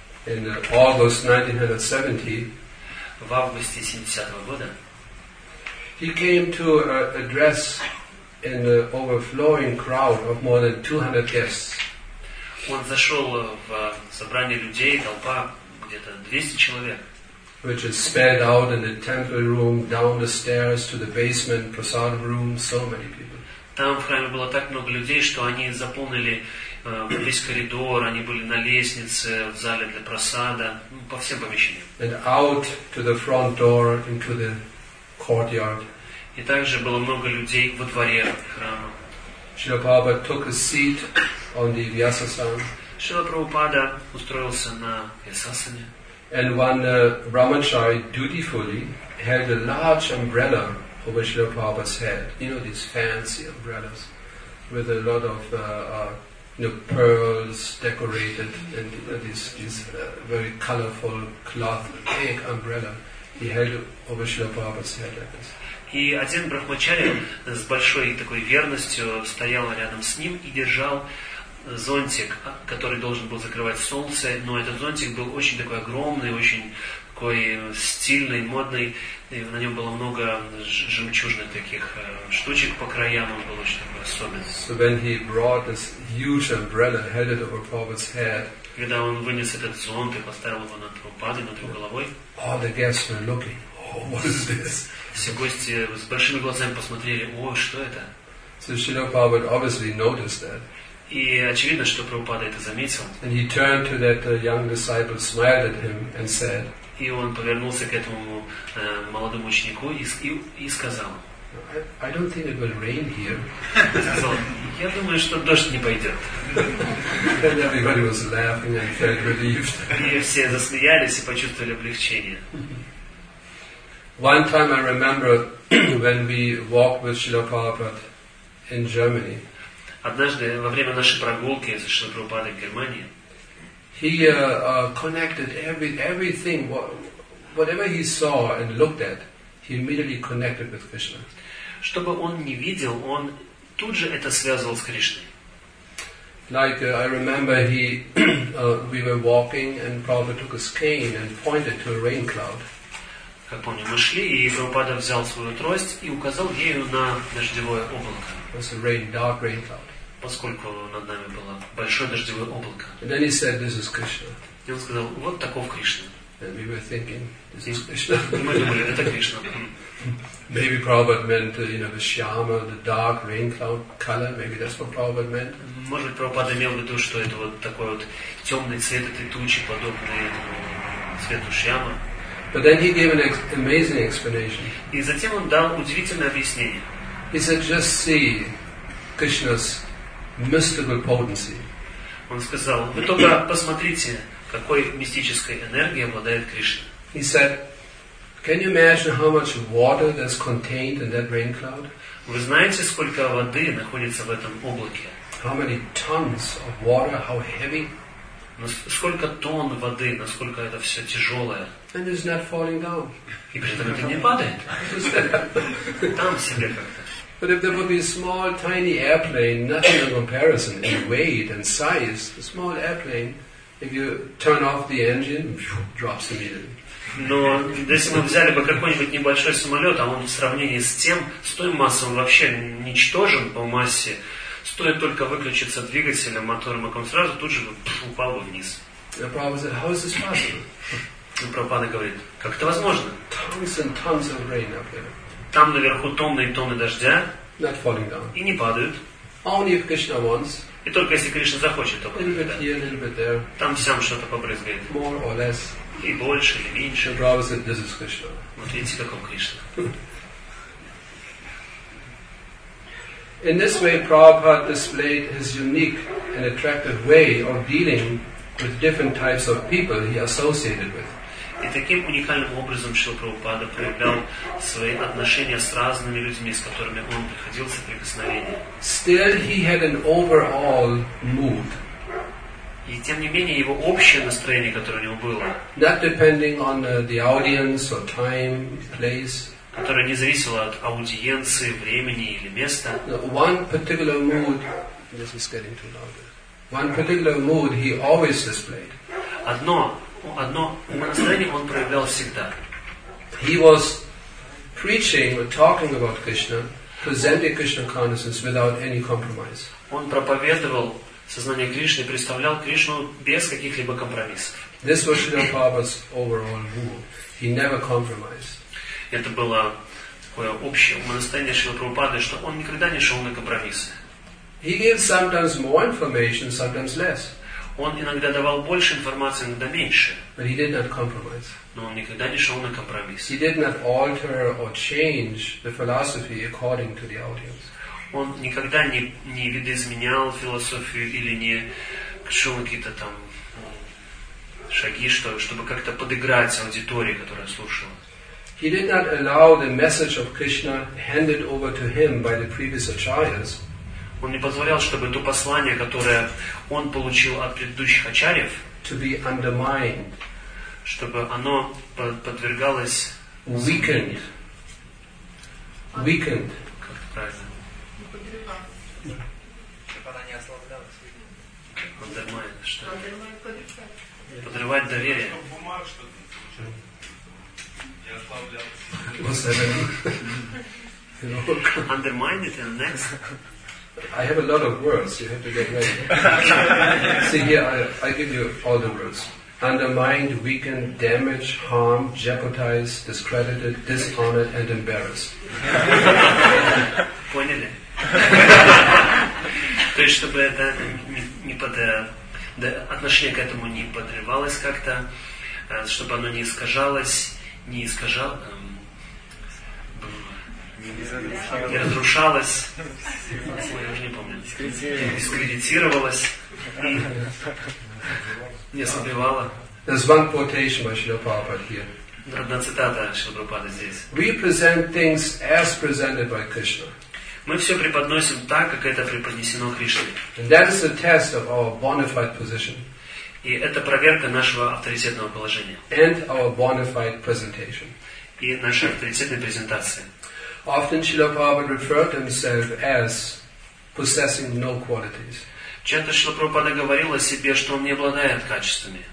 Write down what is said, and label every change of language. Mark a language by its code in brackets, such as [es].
[en] in August 1970, [ru] в августе 70-го года, [en] he came to address in an overflowing crowd of more than 200 guests. [ru] Он зашел в собрание людей, толпа где-то 200 человек, [en] which is spread out in the temple room, down the stairs to the basement prasad room, so many people. [ru] Там в храме было так много людей, что они заполнили весь коридор, они были на лестнице, в зале для просада, по всем помещениям. [en] And out to the front door, into the courtyard. [ru] И также было много людей во дворе храма. [en] Шрила Прабхупада took a seat on the Vyasasana. [ru] Шрила Прабхупада устроился на Вьясасане. [en] And one Brahmachari dutifully held a large umbrella over Шрила Прабхупада's head. You know, these fancy umbrellas with a lot of pearls decorated and this very colorful cloth, big umbrella he held over Srila Prabhupada's head like this. [ru] И один брахмачари с большой такой верностью стоял рядом с ним и держал зонтик, который должен был закрывать солнце, но этот зонтик был очень такой огромный, очень такой стильный, модный, и на нем было много жемчужных таких штучек по краям, он был очень такой особенный. [en] So when he brought this huge umbrella and held it over Prabhupada's head, [ru] когда он вынес этот зонт и поставил его над Прабхупадой, над его головой, [en] all the guests were looking, oh, what is this? [ru] Все гости с большими глазами посмотрели, о, что это? [en] So Srila Prabhupada obviously noticed that. [ru] И очевидно, что Прабхупада это заметил. [en] And he turned to that young disciple, smiled at him and said, [ru] и он повернулся к этому молодому ученику и сказал, [en] I don't think it will rain here. [ru] Я думаю, что дождь не пойдет. [en] And everybody was laughing and felt relieved. [ru] И все засмеялись и почувствовали облегчение. [en] One time I remember when we walked with Srila Prabhupada in Germany. [ru] Однажды во время нашей прогулки с Шрилой Прабхупадой в Германии, [en] he connected everything, whatever he saw and looked at, he immediately connected with Krishna. [ru] Что бы он ни видел, он тут же это связывал с Кришной. [en] Like I remember he we were walking and Prabhupada took his cane and pointed to a rain cloud. [ru] Как помню, мы шли, и Прабхупада взял свою трость и указал ею на дождевое облако. [en] It was a rain, dark rain cloud. [ru] Поскольку над нами было большое дождевое облако. [en] And then he said, this is Krishna. [ru] И он сказал, вот таков Кришна. [en] And we were thinking, this is Krishna. [ru] Мы думали, это Кришна. [en] Maybe Prabhupada meant, you know, the shyama, the dark rain cloud color. Maybe that's what Prabhupada meant. [ru] Может, Прабхупада имел в виду, что это вот такой вот темный цвет этой тучи, подобный цвету шьямы. [en] But then he gave an amazing explanation. [ru] И затем он дал удивительное объяснение. [en] He said, just see Krishna's mystical potency. [ru] Он сказал, вы только посмотрите, какой мистической энергией обладает Кришна. [en] He said, can you imagine how much water that's contained in that rain cloud? [ru] Вы знаете, сколько воды находится в этом облаке? [en] How many tons of water, how heavy? [ru] Сколько тонн воды, насколько это все тяжелое? [en] And it's not falling down. [ru] И при этом это не падает. Там себе как-то. [en] But if there would be a small, tiny airplane, nothing in comparison in weight and size, a small airplane, if you turn off the engine, drops immediately. [ru] Но если мы взяли бы какой-нибудь небольшой самолет, а он в сравнении с тем, с той массой он вообще ничтожен по массе, Стоит только выключиться двигателем, мотором, и он сразу тут же упал бы вниз. [en] The Prabhupada said, how is this possible? [ru] И Прабхупада говорит, как это возможно? [en] Tons and tons of rain up there. [ru] Там наверху тонны и тонны дождя. [en] Not falling down. [ru] И не падают. [en] Only if Krishna wants. [ru] И только если Кришна захочет, то падает. Там всем что-то побрызгает. [en] More or less. [ru] И больше, или меньше. [en] The Prabhupada said, this is Krishna. [ru] Вот видите, как он Кришна. [en] In this way, Prabhupada displayed his unique and attractive way of dealing with different types of people he associated with. [ru] И таким уникальным образом Шрила Прабхупада проявлял свои отношения с разными людьми, с которыми он приходил в соприкосновение. [en] Still, he had an overall mood. [ru] И тем не менее его общее настроение, которое у него было, [en] not depending on the audience or time, place. [ru] Которое не зависело от аудиенции, времени или места. [en] One particular mood. This is getting too loud. One particular mood he always displayed. [ru] Одно настроение он проявлял всегда. [en] He was preaching or talking about Krishna, presenting Krishna consciousness without any compromise. [ru] Он проповедовал сознание Кришны, представлял Кришну без каких-либо компромиссов. [en] This was Srila Prabhupada's overall mood. He never compromised. [ru] Это было такое общее настроение Шрилы Прабхупады, что он никогда не шел на компромиссы. [en] He gave sometimes more information, sometimes less. [ru] Он иногда давал больше информации, иногда меньше. [en] But he did not compromise. [ru] Но он никогда не шел на компромисс. [en] He did not alter or change the philosophy according to the audience. [ru] Он никогда не видоизменял философию или не шел какие-то там шаги, чтобы как-то подыграть аудитории, которая слушала. [en] He did not allow the message of Krishna handed over to him by the previous acharyas. [ru] Он не позволял, чтобы то послание, которое он получил от предыдущих ачарьев, [en] to be undermined, [ru] чтобы оно подвергалось [en] weakened. [ru] Как это правильно? Undermined. Что? Подрывать доверие. [en] What's that? Undermined and next. I have a lot of words, you have to get ready. See here, I give you all the words. Undermined, weakened, damaged, harmed, jeopardized, discredited, dishonored, and embarrassed. [ru] Поняли? То есть, чтобы это не под отношение к этому не подрывалось как-то, чтобы оно не искажалось, не искажало. Не разрушалась, я уже не помню, дискредитировалась, не сбивала. [en] There's one quotation by Srila Prabhupada here. [ru] Одна цитата Шрилы Прабхупады здесь. [en] We present things as presented by Krishna. [ru] Мы все преподносим так, как это преподнесено Кришной. [en] And that is the test of our bona fide position. [ru] И это проверка нашего авторитетного положения. [en] And our bona fide presentation. [ru] И нашей авторитетной презентации. [en] Often Srila Prabhupada referred to himself as possessing no qualities. [ru] Часто Шрила Прабхупада говорил о себе, что он не обладает качествами.